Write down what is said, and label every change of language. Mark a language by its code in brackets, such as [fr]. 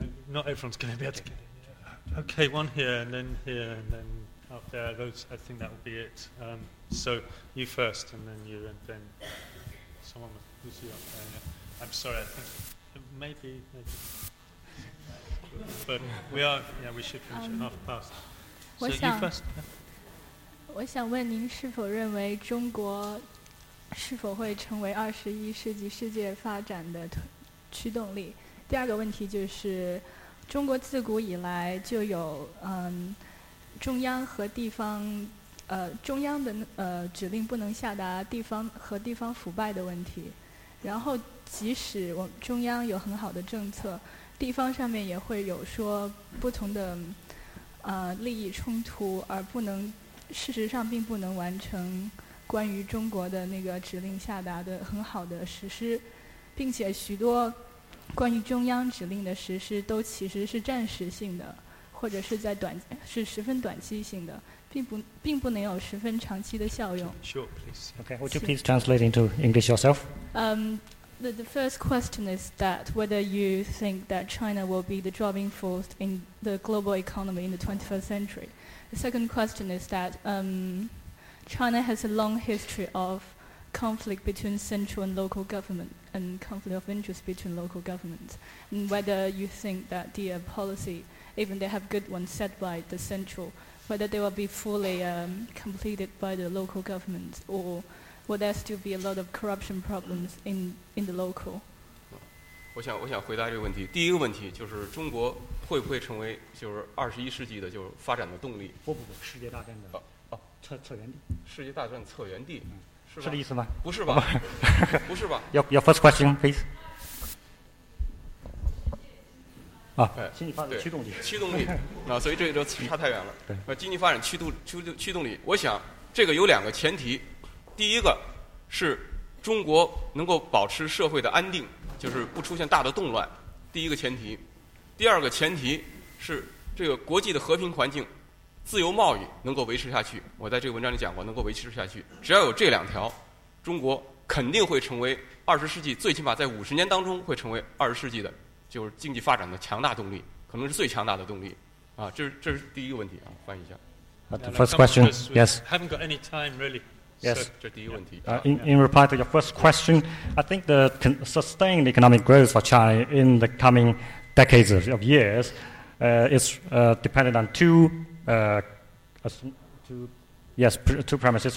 [en] Not everyone's going to be able to get it. Okay, one here, and then up there. I think that will be it. So you first, and then someone who's up there. Yeah. I'm sorry, I think maybe. But we are, yeah, we should finish at half past. So you first. Yeah. [zh] 我想问您是否认为中国是否会成为二十一世纪世界发展的驱动力？第二个问题就是，中国自古以来就有中央和地方中央的指令不能下达地方和地方腐败的问题，然后即使我们中央有很好的政策，地方上面也会有说不同的利益冲突，而不能事实上并不能完成关于中国的那个指令下达的很好的实施，并且许多关于中央指令的实施都其实是暂时性的，或者是在短是十分短期性的，并不能有十分长期的效用。 [en] Sure, please. Okay, would you please translate into English yourself? The first question is that whether you think that China will be the driving force in the global economy in the 21st century. The second question is that China has a long history of conflict between central and local government and conflict of interest between local governments, and whether you think that the policy, even they have good ones set by the central, whether they will be fully completed by the local government, or will there still be a lot of corruption problems in the local? [zh] 我想回答这个问题。第一个问题就是中国会不会成为就是二十一世纪的就是发展的动力？不，世界大战的策源地。世界大战策源地，是这意思吗？不是吧？不是吧？ [en] Your first question, please. [zh] 经济发展驱动力。驱动力。所以这就差太远了。对。经济发展驱动力，我想这个有两个前提。第一个是中国能够保持社会的安定，就是不出现大的动乱，第一个前提。第二个前提是这个国际的和平环境、自由贸易能够维持下去。我在这个文章里讲过，能够维持下去，只要有这两条，中国肯定会成为二十世纪，最起码在五十年当中会成为二十世纪的就是经济发展的强大动力，可能是最强大的动力啊。这是第一个问题啊，翻译一下。 [en] The first question, yes. Haven't got any time really. Yes. In reply to your first question, I think the sustained economic growth for China in the coming decades of years is dependent on two premises.